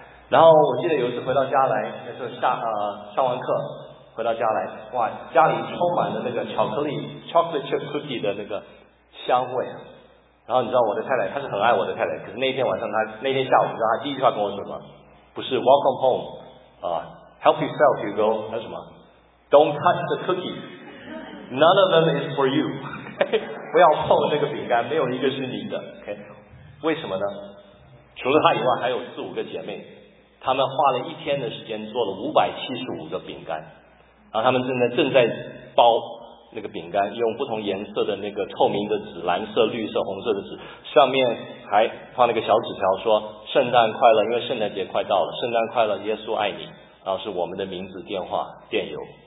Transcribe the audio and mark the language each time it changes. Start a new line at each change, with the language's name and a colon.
Chinese: 然后我记得有一次回到家来，那时候上完课回到家来，哇，家里充满了那个巧克力 chocolate chip cookie 的那个香味。然后你知道我的太太，她是很爱我的太太，可是那天晚上那天下午，你知道她第一句话跟我说什么？不是
English: welcome home 啊 ，help yourself you go，
Chinese: 还是什么
English: ？Don't touch the cookie，none of them is for you，
Chinese: 不要碰那个饼干，没有一个是你的。 OK， 为什么呢？除了她以外，还有四五个姐妹，她们花了一天的时间做了575个饼干。然后他们正在包那个饼干，用不同颜色的那个透明的纸，蓝色、绿色、红色的纸，上面还放了一个小纸条说圣诞快乐，因为圣诞节快到了，圣诞快乐，耶稣爱你，然后是我们的名字、电话、电邮。